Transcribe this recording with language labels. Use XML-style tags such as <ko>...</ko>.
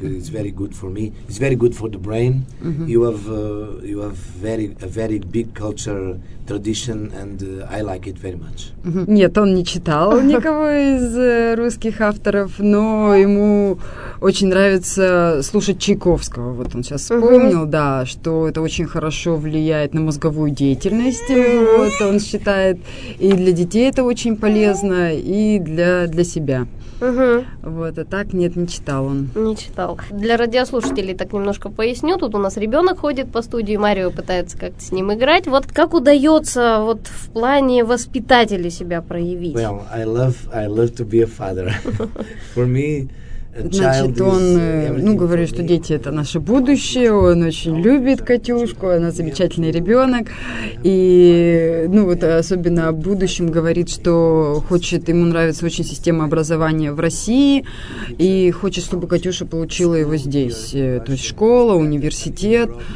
<en>It's very good for me. It's very good for the brain. Mm-hmm. You have a very big culture tradition, and I like it very much. Mm-hmm.</en> <ru>Нет, он не читал никого из русских авторов, но ему очень нравится слушать Чайковского. Вот он сейчас вспомнил, mm-hmm. да, что это очень хорошо влияет на мозговую деятельность. Вот он считает, и для детей это очень полезно, и для себя. Угу. Вот, а так, нет, не читал он. Не читал. Для радиослушателей так немножко поясню. Тут у нас ребенок ходит по студии, Марио пытается как-то с ним играть. Вот как удается вот в плане воспитателя себя проявить?</ru> <en>Well, I love to be a father. For me,</en> <ru>Значит, он, ну, говорит, что дети — это наше будущее, он очень любит Катюшку, она замечательный ребенок, и, ну, вот особенно о будущем говорит, что хочет, ему нравится очень система образования в России, и хочет, чтобы Катюша получила его здесь, то есть школа, университет,</ru>